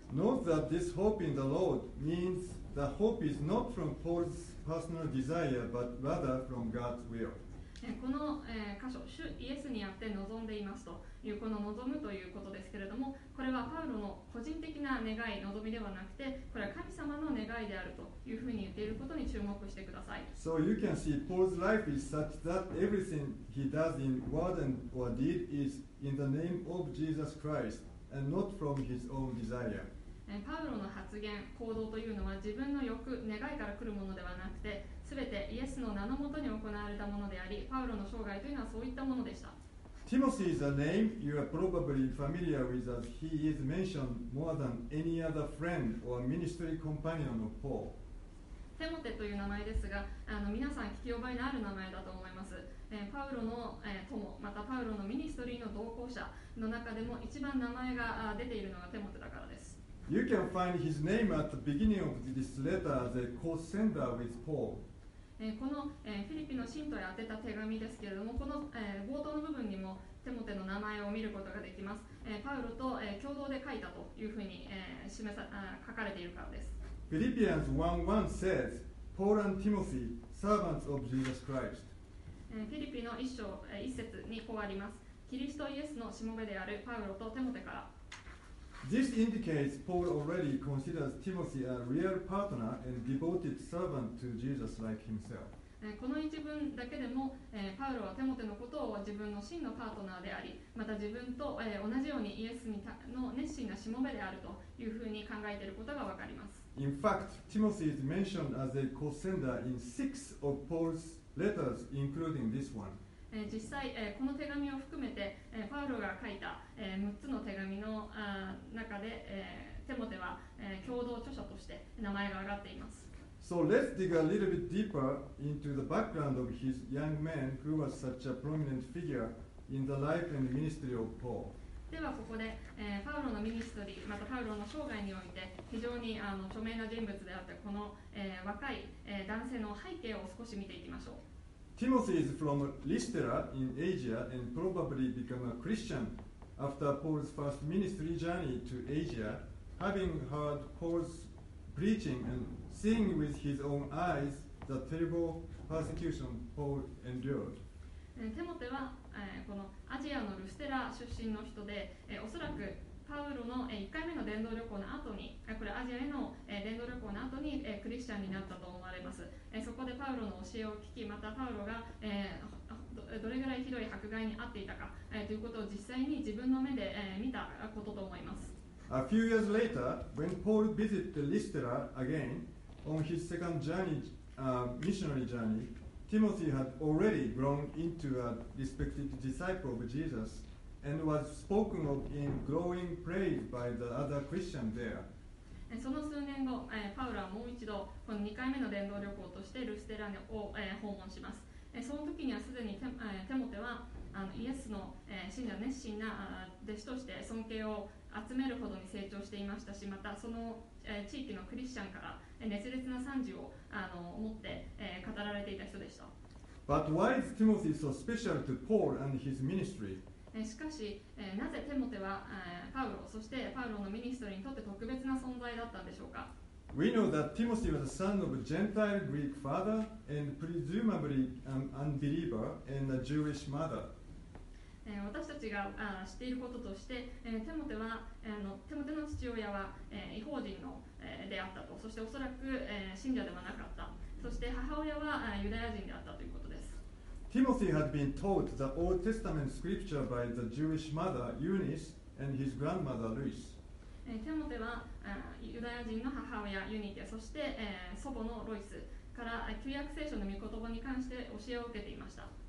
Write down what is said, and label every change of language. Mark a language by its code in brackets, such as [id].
[en] Note that this hope in the Lord means the hope is not from Paul's personal desire but rather from God's will. [ja] この箇所、主イエスにあって望んでいますというこの望むということですけれども、これはパウロの個人的な願い、望みではなくて、これは神様の願いであるというふうに言っていることに注目してください。 [en] So you can see Paul's life is such that everything he does in word and or deed is in the name of Jesus Christ and not from his own desire. [ja] パウロの発言、行動というのは自分の欲、願いから来るものではなくて、すべてイエスの名のもとに行われたものであり、パウロの生涯というのはそういったものでした。 [en] Timothy is a name you are probably familiar with as he is mentioned more than any other friend or ministry companion of Paul. [ja] テモテという名前ですが、皆さん聞き覚えのある名前だと思います。パウロの友、またパウロのミニストリーの同行者の中でも一番名前が出ているのがテモテだからです。 [en] You can find his name at the beginning of this letter as a co-sender with Paul. [ja] このフィリピの信徒へ宛てた手紙ですけれども、この冒頭の部分にもテモテの名前を見ることができます。パウロと共同で書いたというふうに書かれているからです。 [en] Philippians 1:1 says, Paul and Timothy, servants of Jesus Christ. [ja] フィリピの一章一節にこうあります。キリストイエスのしもべであるパウロとテモテから。 [en] This indicates Paul already considers Timothy a real partner and devoted servant to Jesus like himself. [ja] この一文だけでも、パウロはテモテのことを自分の真のパートナーであり、また自分と同じようにイエスの熱心なしもべであるというふうに考えていることがわかります。 [en] In fact, Timothy is mentioned as a co-sender in six of Paul's letters, including this one. [ja] 実際この手紙を含めてパウロが書いた6つの手紙の中でテモテは共同著者として名前が挙がっています。 [en] So let's dig a little bit deeper into the background of his young man who was such a prominent figure in the life and ministry of Paul. [ja] ではここでパウロのミニストリー、またパウロの生涯において非常に著名な人物であったこの若い男性の背景を少し見ていきましょう。 [en] Timothy is from Lystra in Asia and probably became a Christian after Paul's first ministry journey to Asia, having heard Paul's preaching and seeing with his own eyes the terrible persecution Paul endured. [ja] テモテはこのアジアのルステラ出身の人で、おそらくパウロの1回目の伝道旅行の後に、これアジアへの伝道旅行の後にクリスチャンになったと思われます。そこでパウロの教えを聞き、またパウロがどれぐらいひどい迫害に遭っていたかということを実際に自分の目で見たことと思います。 [en] A few years later, when Paul visited Lystra again on his second journey missionary journey, Timothy had already grown into a respected disciple of Jesus and was spoken of in glowing praise by the other Christians there. [ja] その数年後、パウロはもう一度この2回目の伝道旅行としてルステラを訪問します。その時にはすでにテモテはイエスの信者熱心な弟子として尊敬を集めるほどに成長していましたし、またその地域のクリスチャンから熱烈な賛辞を持って語られていた人でした。 [en] But why is Timothy so special to Paul and his ministry? [ja] しかし、なぜテモテはパウロ、そしてパウロのミニストリーにとって特別な存在だったんでしょうか。 [en] We know that Timothy was a son of a Gentile Greek father and presumably an unbeliever and a Jewish mother. [ja] 私たちが知っていることとして、テモテは、テモテの父親は異邦人の、であったと、そしておそらく、信者ではなかった、そして母親はユダヤ人であったということです。 [en] Timothy had been taught the Old Testament scripture by the Jewish mother Eunice and his grandmother Luis. [ja] Timothy はユダヤ人の母親ユニケ、そして祖母のロイスから旧約聖書の御言葉に関して教えを受けていました。